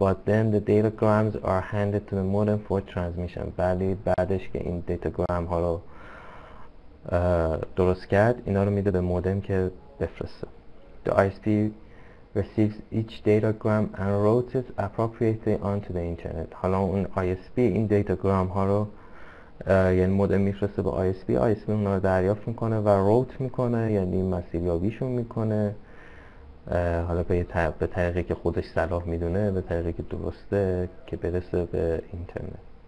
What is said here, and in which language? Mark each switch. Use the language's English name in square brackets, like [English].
[English] But then the datagrams are handed to the modem for transmission. [Persian] ولی بعدش که این datagram ها رو درست کرد، اینا رو میده به مودم که بفرسته. [English] The ISP receives each datagram and routes it appropriately onto the internet. [Persian] حالا اون ISP این datagram ها رو یعنی مودم میفرسته به ISP، ISP اونا رو دریافت میکنه و روت میکنه، یعنی مسیریابیشون میکنه حالا به طریقی که خودش صلاح میدونه، به طریقی که درسته که برسه به اینترنت.